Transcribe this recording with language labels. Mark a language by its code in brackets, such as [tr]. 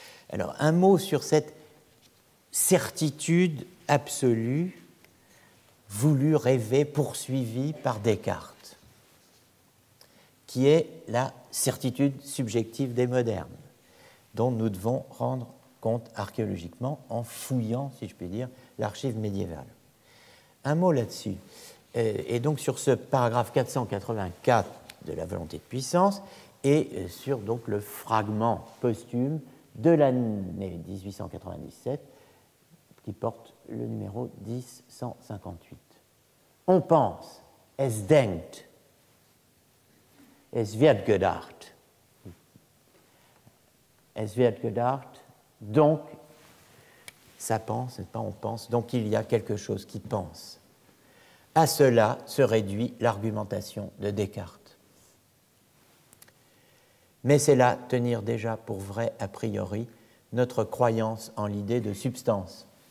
[fr] Alors, un mot sur cette certitude absolue voulue, rêvée, poursuivie par Descartes, qui est la certitude subjective des modernes, dont nous devons rendre compte archéologiquement en fouillant, si je puis dire, l'archive médiévale. Un mot là-dessus. Et donc, sur ce paragraphe 484 de la volonté de puissance et sur donc le fragment posthume de l'année 1897, qui porte le numéro 10-158. On pense, [de] es denkt, es wird gedacht. Es wird gedacht, [fr] donc, ça pense, n'est-ce pas, on pense, donc il y a quelque chose qui pense. À cela se réduit l'argumentation de Descartes. Mais c'est là tenir déjà pour vrai, a priori, notre croyance en l'idée de substance.